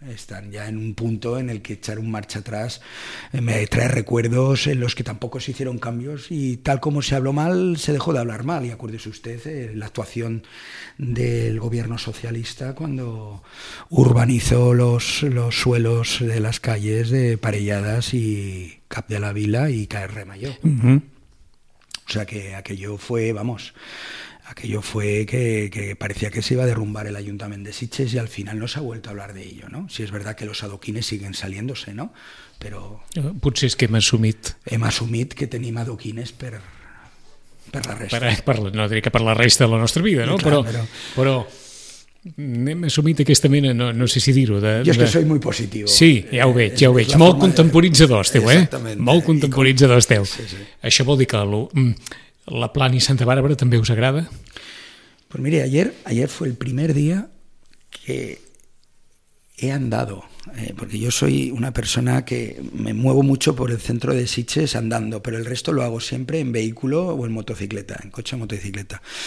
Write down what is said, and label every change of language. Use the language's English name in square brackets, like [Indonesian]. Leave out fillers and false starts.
[Spanish] están ya en un punto en el que echar un marcha atrás me trae recuerdos en los que tampoco se hicieron cambios y tal como se habló mal, se dejó de hablar mal. Y acuérdese usted la actuación del gobierno socialista cuando urbanizó los suelos de las calles de Parelladas y Cap de la Vila y KR Mayor. Uh-huh. O sea que aquello fue, vamos... Aquello fue que parecía que se iba a derrumbar el ayuntamiento de Sitges y al final no se ha vuelto a hablar de ello, ¿no? Si es verdad que los adoquines siguen saliéndose, ¿no? Pero... [Catalan] Potser és que hem assumit que tenim adoquines per la resta. Per la resta de la nostra vida, ¿no? Però hem assumit aquesta mena, no sé si dir-ho... Jo és que [Spanish] soy muy positivo. [Catalan] Sí, ja ho veig. Molt contemporitzador esteu, exactament. Molt contemporitzador esteu. Sí, sí. Això vol dir que... [Spanish] ¿La Plana y Santa Bárbara también os agrada? Pues mire, ayer fue el primer día que he andado, porque yo soy una persona que me muevo mucho por el centro de Sitges andando, pero el resto lo hago siempre en vehículo o en motocicleta, en coche o motocicleta.